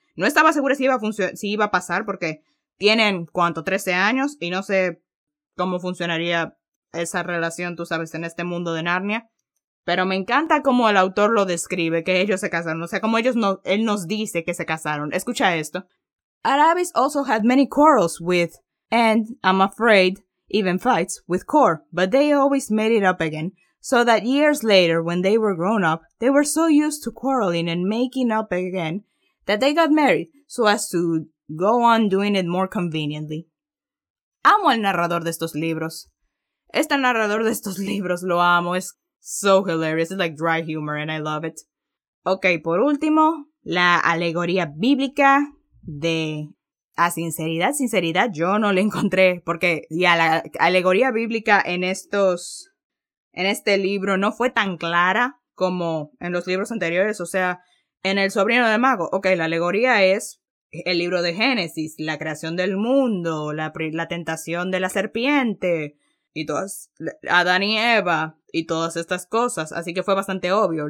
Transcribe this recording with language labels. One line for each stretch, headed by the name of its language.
Spanish: No estaba segura si iba a pasar porque tienen, ¿cuánto? 13 años y no sé cómo funcionaría esa relación, tú sabes, en este mundo de Narnia. Pero me encanta cómo el autor lo describe, que ellos se casaron. O sea, como él nos dice que se casaron. Escucha esto.
English: Aravis also had many quarrels with, and I'm afraid, even fights with Cor, but they always made it up again, so that years later, when they were grown up, they were so used to quarreling and making up again that they got married so as to go on doing it more conveniently.
Spanish: Amo al narrador de estos libros. Este narrador de estos libros lo amo.
English: Es so hilarious. It's like dry humor and I love it.
Spanish: Okay, por último, la alegoría bíblica de... a sinceridad, yo no le encontré, porque ya la alegoría bíblica en este libro no fue tan clara como en los libros anteriores. O sea, en El Sobrino del Mago, ok, la alegoría es el libro de Génesis, la creación del mundo, la tentación de la serpiente, y todas, Adán y Eva, y todas estas cosas, así que fue bastante obvio.